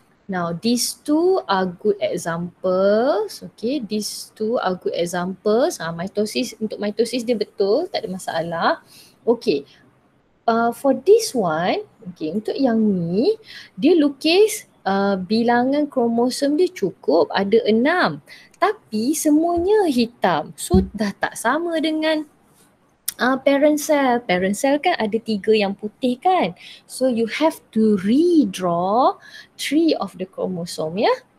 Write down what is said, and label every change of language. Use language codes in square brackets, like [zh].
[en] Now, these two are good examples. Okay, these two are good examples. [ms] Mitosis, untuk mitosis dia betul, tak ada masalah. [en] Okay, for this one, [ms] okay, untuk yang ni, dia lukis bilangan kromosom dia cukup, ada 6. Tapi semuanya hitam. So, dah tak sama dengan parent cell. Parent cell kan ada 3 yang putih kan. [en] So you have to redraw 3 of the chromosome ya.